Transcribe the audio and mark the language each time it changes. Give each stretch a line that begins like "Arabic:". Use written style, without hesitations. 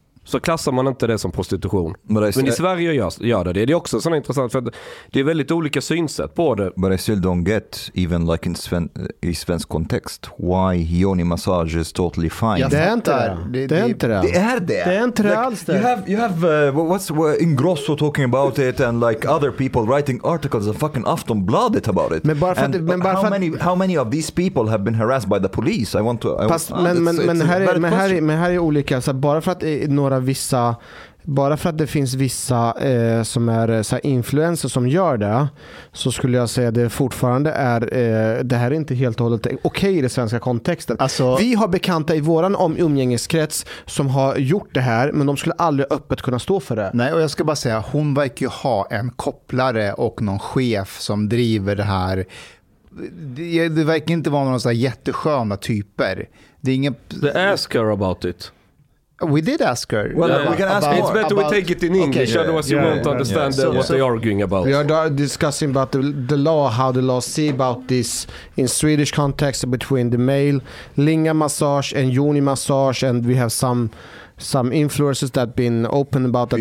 Swedish: så klassar man inte det som prostitution. Men i Sverige gör det. Det är också sådant intressant, för det är väldigt olika synsätt på det.
English: But I still don't get, even like in
Swedish: svensk kontext,
English: why yoni massage is totally fine.
Swedish: Det är inte det. Det är inte det. Det är det. Det är inte det alls det.
English: You have what's Ingrosso talking about it and like other people writing articles and fucking Aftonbladet about it. How many of these people have been harassed by the police?
Swedish: Men här är olika. Så bara för att det finns vissa som är så här influencer som gör det, så skulle jag säga det fortfarande är det här är inte helt och hållet okej i den svenska kontexten. Alltså, vi har bekanta i våran umgängeskrets som har gjort det här, men de skulle aldrig öppet kunna stå för det. Nej, och jag ska bara säga, hon verkar ju ha en kopplare och någon chef som driver det här. Det verkar inte vara någon så här jättesköna typer. Det är ingen.
English: They ask her about it. We did ask her. Well, yeah. We can ask about, it's better about, we take it in English. Okay, otherwise you won't understand what they're arguing about. We are discussing about the law, how the law see about this in Swedish context between the male linga massage and yoni massage, and we have some influencers that been open about